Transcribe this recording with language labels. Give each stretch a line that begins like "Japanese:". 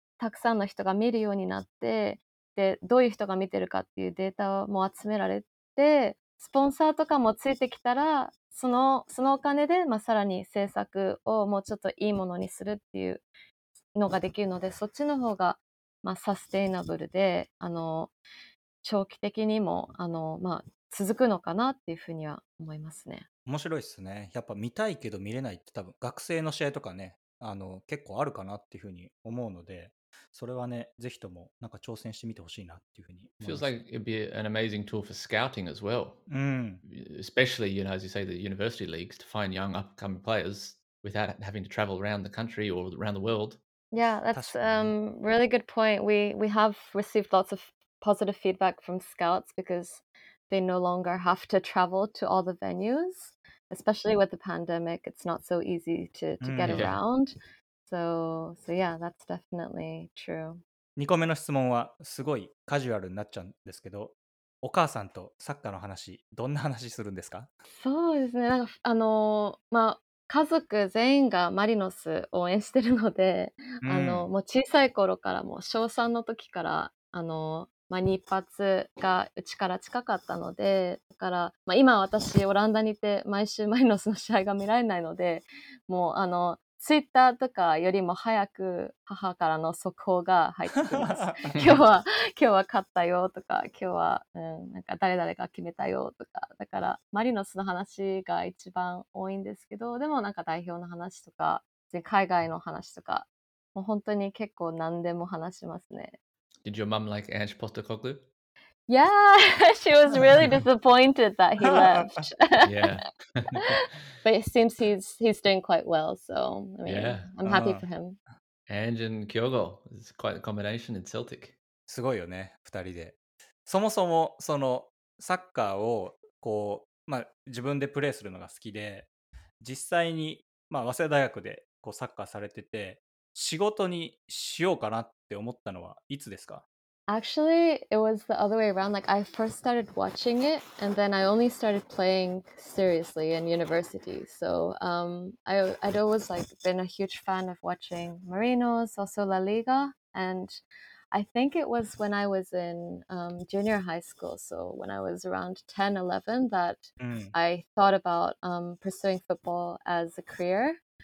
Japanese: たくさんの人が見るようになって、でどういう人が見てるかっていうデータも集められて、スポンサーとかもついてきたら、そのお金で、まあ、さらに制作をもうちょっといいものにするっていうのができるので、そっちの方が、まあ、サステイナブルで、長期的にも続くのかなっていうふうには思いますね。面白いですね。やっぱ見たいけど見れないって多分学生の試合とかね、結構あるかなっていうふうに思うので、それはね、ぜひともなんか挑戦してみてほしいなっていうふうに。
English: It feels like it'd be an amazing tool for scouting as well. Especially, you know, as you say, the university leagues to find young upcoming players without having to travel around the country or around the world. Yeah, that's really good point. We have received lots of positive feedback from scouts because they no longer have to travel to all the venues. Especially with the pandemic, it's not so easy to get around. So yeah, that's definitely true.
Japanese: 2個目の質問はすごいカジュアルになっちゃうんですけど、お母さんとサッカーの話、どんな話するんですか？そうですね、まあ、家族全員がマリノス応援してるので、もう小さい頃からもう小3の時からまあ、日発がうちから近かったので、だから、まあ、今私オランダにいて毎週マリノスの試合が見られないので、もうツイッターとかよりも早く母からの速報が入ってきます。今日は勝ったよとか、今日は、なんか誰々が決めたよとか、だからマリノスの話が一番多いんですけど、でもなんか代表の話とか海外の話とか、もう本当に結構何でも話しますね。
English: Did your mom like Ange Postecoglou? Yeah, she was really disappointed that he left. Yeah. But it seems he's doing quite well, so I mean, yeah. I'm happy for him. Ange and Kyogo is quite a combination in Celtic.
Japanese: すごいよね、2人で。そもそもそのサッカーをこう、まあ、自分でプレーするのが好きで、実際に、まあ、早稲田大学でこうサッカーされてて、仕事にしようかなって思ったのはいつですか？
English: Actually, it was the other way around. Like, I first started watching it, and then I only started playing seriously in university. So, I'd always, like, been a huge fan of watching Marinos, also La Liga. And I think it was when I was in junior high school, so when I was around 10, 11, that I thought about pursuing football as a career.